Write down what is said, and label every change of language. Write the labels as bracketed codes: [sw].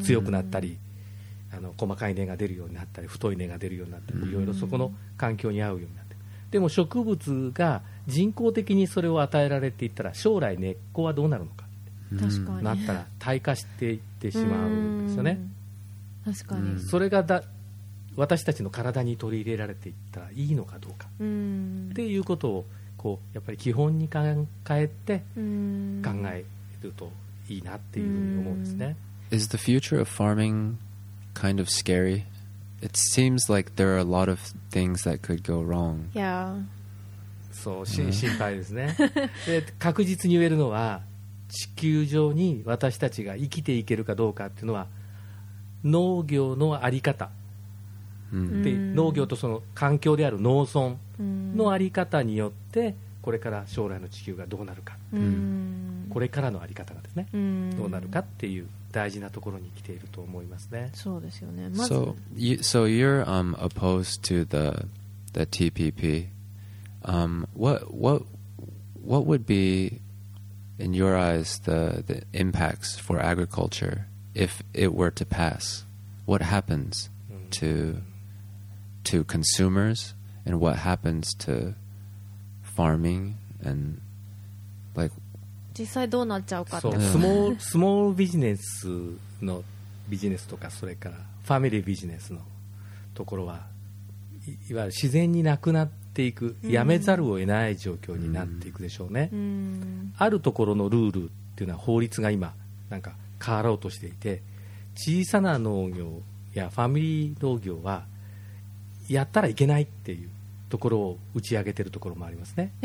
[ja] 強くなったりあの細かい根が出るようになったり太い根が出るようになったり、うん、いろいろそこの環境に合うようになってでも植物が人工的にそれを与えられていったら将来根っこはどうなるのかってなったら退化していってしまうんですよね、うん、確かにそれがだ私たちの体に取り入れられていったらいいのかどうか、うん、っていうことをこうやっぱり基本に変えて考えるといいなっていうふうに思うんですね。 [en] Is the future of farming kind of scary? It seems like there are a lot of things that could go wrong. Yeah. [ja] そう、mm. 心配ですね。で、確実に言えるのは地球上に私たちが生きていけるかどうかっていうのは農業のあり方、で農業とその環境である農村のあり方によってこれから将来の地球がどうなるかっていう、うん、これからのあり方がですね、うん、どうなるかっていう大事なところに来ていると思いますねそうですよね、ま、 [en] so, you, so you're opposed to the TPP what would be in your eyes the impacts for agriculture if it were to pass what happens to consumers and what happens to farming and like [ja] 実際どうなっちゃうかって、そう、スモールビジネスのビジネスとかそれからファミリービジネスのところは いわゆる自然になくなっていく、うん、やめざるを得ない状況になっていくでしょうね、うん、あるところのルールっていうのは法律が今なんか変わろうとしていて、小さな農業やファミリー農業はやったらいけないっていうところを打ち上げてるところもありますね。